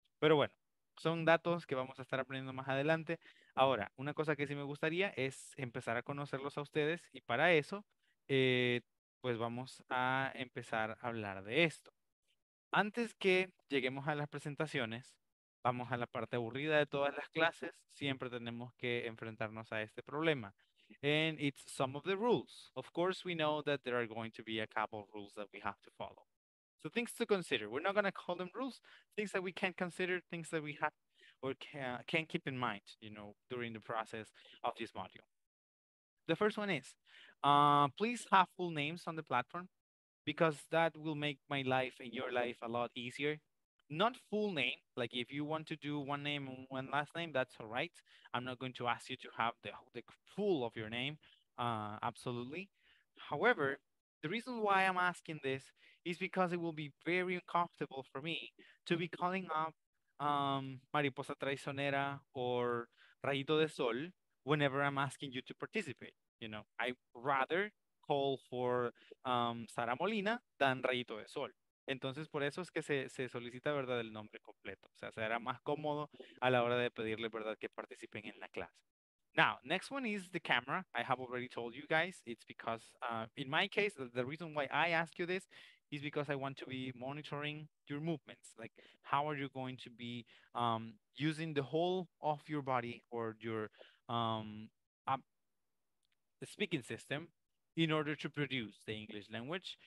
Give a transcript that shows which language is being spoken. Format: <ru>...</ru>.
<es>Pero bueno, son datos que vamos a estar aprendiendo más adelante. Ahora, una cosa que sí me gustaría es empezar a conocerlos a ustedes y para eso, pues vamos a empezar a hablar de esto. Antes que lleguemos a las presentaciones, vamos a la parte aburrida de todas las clases. Siempre tenemos que enfrentarnos a este problema.</es> <en>And it's some of the rules. Of course, we know that there are going to be a couple of rules that we have to follow. So things to consider. We're not going to call them rules. Things that we can't consider, things that we have or can keep in mind, you know, during the process of this module. The first one is, please have full names on the platform. Because that will make my life and your life a lot easier. Not full name, like if you want to do one name and one last name, that's all right. I'm not going to ask you to have the full of your name, absolutely. However, the reason why I'm asking this is because it will be very uncomfortable for me to be calling up Mariposa Traicionera or Rayito de Sol whenever I'm asking you to participate. You know, I'd rather call for Sara Molina dan rayito de sol.</en> <es>Entonces, por eso es que se solicita, ¿verdad?, el nombre completo. O sea, será más cómodo a la hora de pedirle, ¿verdad?, que participen en la clase.</es> <en>Now, next one is the camera. I have already told you guys, it's because, in my case, the reason why I ask you this is because I want to be monitoring your movements. Like, how are you going to be using the whole of your body or your speaking system in order to produce the English language.</en>